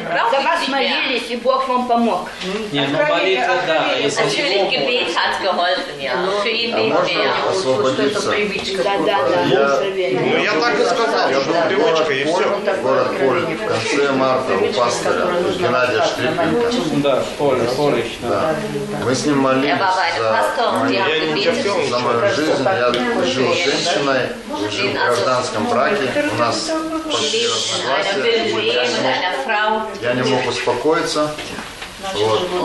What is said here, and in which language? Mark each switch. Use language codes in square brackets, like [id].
[ru] За вас молились, и Бог вам помог. Нет, ну молитва, да. [de] Natürlich, Gebet hat geholfen, ja. Für ihn nicht mehr. [ru] Потому что это привычка. Да. Ну я так и сказал, я был привычка, и все. Город Поль, в конце марта у пастора, Геннадия Штрипенко. Да, Полич, да. Мы с ним молились за молитву. За мою жизнь я жил с женщиной, жил в гражданском браке, у нас пошли разногласия, я не мог успокоиться, вот.